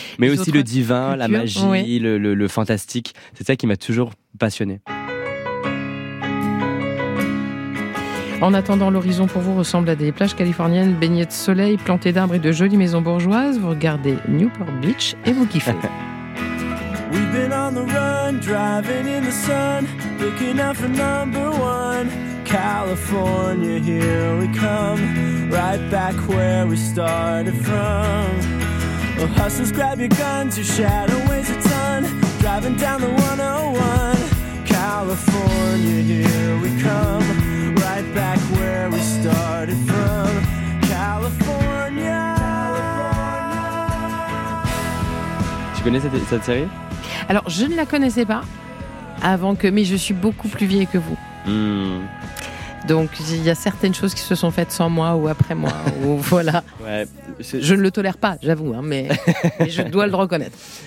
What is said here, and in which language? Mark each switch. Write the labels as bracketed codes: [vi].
[fr] Mais aussi le divin, la magie, le fantastique. C'est ça qui m'a toujours passionné. En attendant, l'horizon pour vous ressemble à des plages californiennes baignées de soleil, plantées d'arbres et de jolies maisons bourgeoises. Vous regardez Newport Beach et vous kiffez. [en] We've been on the run, driving in the sun, looking out for number one. California, here we come, right back where we started from. Well, hustlers, grab your guns, your shadow weighs a ton, driving down the 101. California, here we come. Right back where we started from, California. [fr] Tu connais cette série? Alors, je ne la connaissais pas avant que, mais je suis beaucoup plus vieille que vous. Donc, il y a certaines choses qui se sont faites sans moi ou après moi, ou voilà. Ouais, je ne le tolère pas, j'avoue, hein, mais je dois le reconnaître.